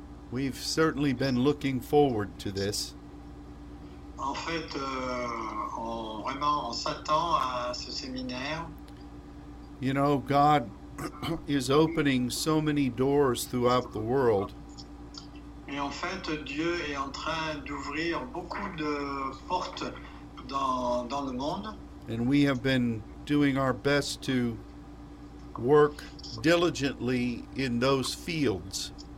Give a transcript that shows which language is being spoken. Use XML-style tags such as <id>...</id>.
<en>We've certainly been looking forward to this.</en> <fr>En fait, on s'attend à ce séminaire.</fr> <en>You know, God is opening so many doors throughout the world.</en> <fr>Et en fait, Dieu est en train d'ouvrir beaucoup de portes dans le monde.</fr> <en>And we have been doing our best to work diligently in those fields.</en>